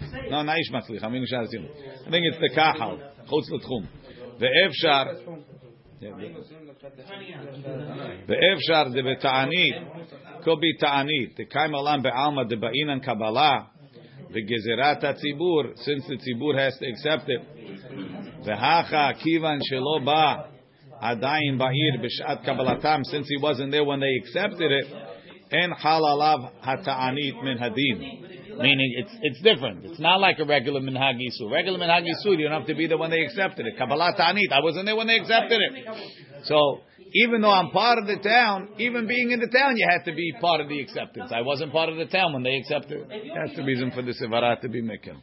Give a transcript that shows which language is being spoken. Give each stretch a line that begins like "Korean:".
English: No, naish matzlich. I mean, I think it's the kahal. Chutz l'tchum.
Hebrew: ואפשר ואפשר זה בתענית קובי תענית תקיים עולם בעלמא דבאינן קבלה וגזירת הציבור
English: since the ציבור has to accept it
Hebrew: והכה כיוון שלא בא עדיין בעיר בשעת קבלתם
English: since he wasn't there when they accepted it
Hebrew: אין חל עליו התענית מן הדין.
English: Meaning it's different. It's not like a regular minhag yisur. Regular minhag yisur, you don't have to be there when they accepted it. Kabbalah ta'anit. I wasn't there when they accepted it. So even though I'm part of the town, even being in the town, you have to be part of the acceptance. I wasn't part of the town when they accepted it. That's the reason for the sevara to be mikkel.